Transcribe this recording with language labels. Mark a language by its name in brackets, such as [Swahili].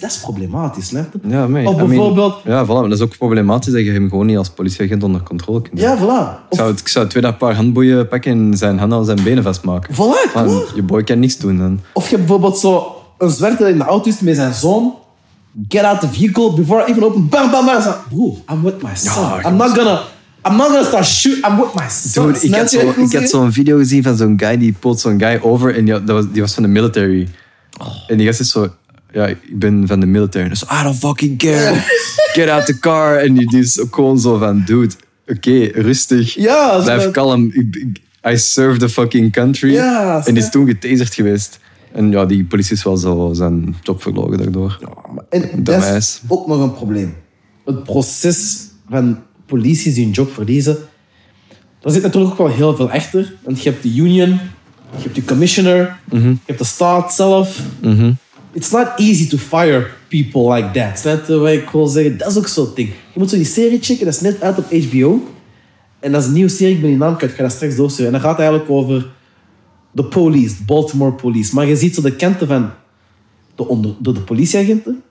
[Dutch] Dat is problematisch, snap je? Ja, mee. Of bijvoorbeeld... [English] I mean, [Dutch] ja, voilà. Dat is ook problematisch dat je hem gewoon niet als politieagent onder controle kunt hebben. Ja, voilà. Ik zou twee dagen paar handboeien pakken en zijn handen aan zijn benen vastmaken. Voilà, van, je boy kan niks doen dan. Of je hebt bijvoorbeeld zo een zwerter in de auto is met zijn zoon. [English] Get out the vehicle before I even open. Bam, bam, bam. Zo, bro, I'm with my son. Ja, I'm not gonna start shooting. I'm with my son. [Dutch] Dude, ik had zo'n video gezien van zo'n guy die pulled zo'n guy over. En die was van de military. Oh. En die gast is zo... Ja, ik ben van de military. Dus [English] I don't fucking care. Get out the car. [Dutch] En die is gewoon zo van, dude, oké, rustig. Ja, blijf kalm. [English] I serve the fucking country. [Dutch] Ja, en die is toen getaserd geweest. En ja, die politie is wel zo zijn job verloren daardoor. Ja, en dat is ook nog een probleem. Het proces van politie die hun job verliezen. Daar zit natuurlijk ook wel heel veel achter. Want je hebt de union, je hebt de commissioner, mm-hmm. je hebt de staat zelf. Mm-hmm. [English] It's not easy to fire people like that. [Dutch] Snap je wat ik wil zeggen? Dat is ook zo'n ding. Je moet zo die serie checken. Dat is net uit op HBO. En dat is een nieuwe serie. Ik ben die naam kwijt. Ik ga dat straks doorsturen. En dat gaat eigenlijk over de police. Baltimore police. Maar je ziet zo de kanten van de politieagenten.